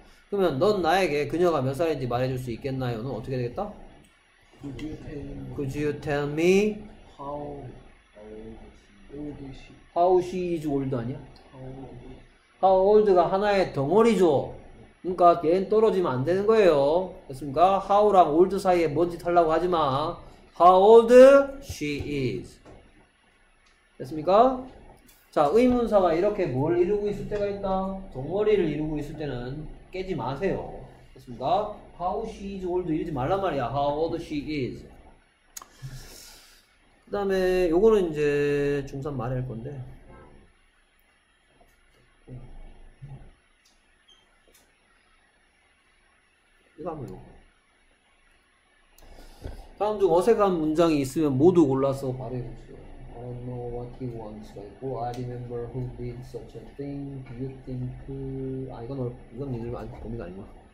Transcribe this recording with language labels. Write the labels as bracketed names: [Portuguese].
[Korean] 그러면 넌 나에게 그녀가 몇 살인지 말해줄 수 있겠나요? 는 어떻게 되겠다? [English] Could you tell me? How old is she? How she is old [Korean] 아니야? How old가 하나의 덩어리죠. 그러니까 얘는 떨어지면 안 되는 거예요. 됐습니까? How랑 old 사이에 뭔지 타려고 하지 마. [English] How old she is. [Korean] 됐습니까? 자, 의문사가 이렇게 뭘 이루고 있을 때가 있다. 덩어리를 이루고 있을 때는 깨지 마세요. 됐습니까? [English] How she is old [Korean] 이러지 말란 말이야. [English] How old she is. [Korean] 그 다음에 요거는 이제 중3 말할 건데. 다음 중 어색한 문장이 있으면 모두 골라서 바로 해보세요. [English] I don't know what he wants. Like, oh, I remember who did such a thing. Do you think? [Korean] 아 이건 이건 이들 아니 범위가 아니구나.